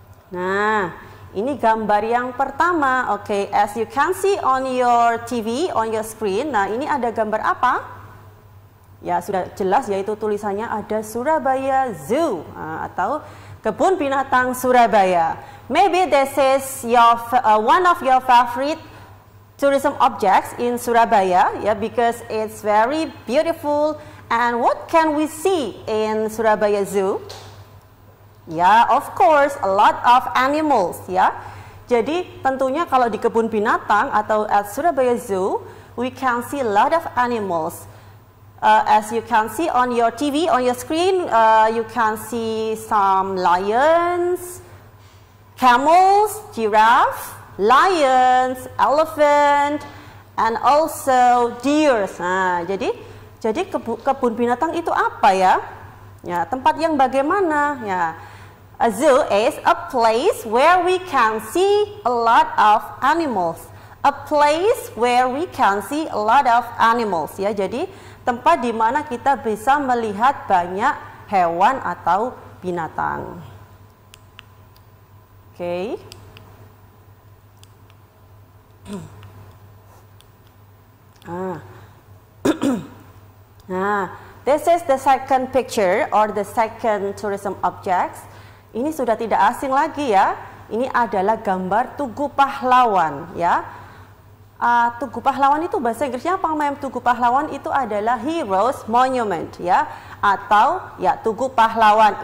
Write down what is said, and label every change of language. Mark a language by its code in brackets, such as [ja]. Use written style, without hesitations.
[id] Nah, ini gambar yang pertama, oke? [en] As you can see on your TV, on your screen, [id] nah ini ada gambar apa? Ya sudah jelas yaitu tulisannya ada Surabaya Zoo atau Kebun Binatang Surabaya. [en] Maybe this is your one of your favorite tourism objects in Surabaya, yeah, because it's very beautiful. And what can we see in Surabaya Zoo? Yeah, of course, a lot of animals, yeah. [id] Jadi tentunya kalau di kebun binatang atau [en] at Surabaya Zoo, we can see a lot of animals. As you can see on your TV, on your screen, you can see some lions, camels, giraffe, lions, elephant, and also deer. [id] Nah, jadi kebun binatang itu apa ya? Ya, tempat yang bagaimana? [en] Ya, a zoo is a place where we can see a lot of animals. A place where we can see a lot of animals. [id] Ya, jadi tempat di mana kita bisa melihat banyak hewan atau binatang. Oke. Okay. [en] Nah, this is the second picture or the second tourism objects. [id] Ini sudah tidak asing lagi ya. Ini adalah gambar Tugu Pahlawan ya. Tugu Pahlawan itu bahasa Inggrisnya apa? Mem? Tugu Pahlawan itu adalah Heroes Monument ya, atau ya Tugu Pahlawan.